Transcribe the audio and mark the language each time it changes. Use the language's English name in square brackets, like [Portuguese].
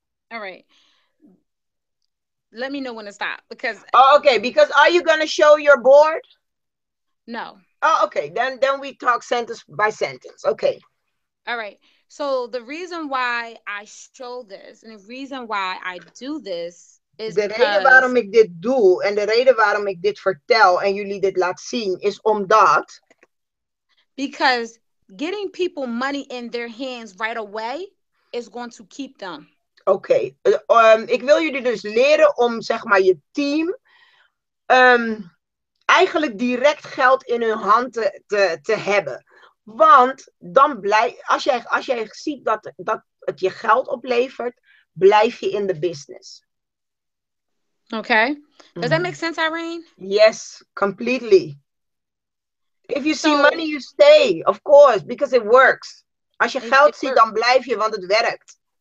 [English] All right. Let me know when to stop because. Oh, okay. Because are you going to show your board? No. Oh, okay. Then we talk sentence by sentence. Okay. All right. So the reason why I show this and the reason why I do this is [Dutch] de [English] because. [Dutch] De reden waarom ik dit doe en de reden waarom ik dit vertel en jullie dit laat zien is omdat. [English] Because getting people money in their hands right away is going to keep them. [Dutch] Oké, ik wil jullie dus leren om zeg maar je team eigenlijk direct geld in hun hand te hebben. Want dan als jij ziet dat het je geld oplevert, blijf je in de business. [English] Oké, okay. Does that make sense, Irene? Yes, completely. If you see money, you stay, of course, because it works. [Dutch] Als je geld ziet, dan blijf je, want het werkt.